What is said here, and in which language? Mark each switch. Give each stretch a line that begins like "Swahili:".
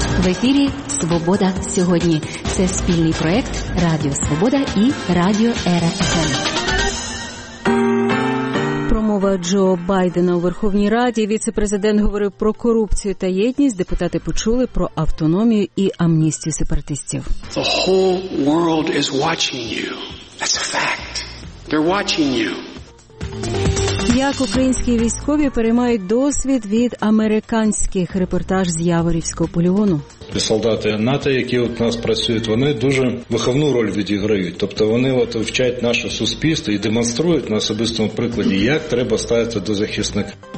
Ukrainian: ефірі «Свобода сьогодні». Це спільний проєкт «Радіо Свобода» і «Радіо РФМ». Промова Джо Байдена у Верховній Раді. Віце-президент говорив про корупцію та єдність. Депутати почули про автономію і амністію сепаратистів.
English: The whole world is watching you. That's a fact. They're watching you.
Ukrainian: Як українські військові переймають досвід від американських? Репортаж з Яворівського полігону. Солдати НАТО, які от у нас працюють, вони дуже виховну роль відіграють. Тобто вони от вчать наше суспільство і демонструють на особистому прикладі, як треба ставитися до захисника.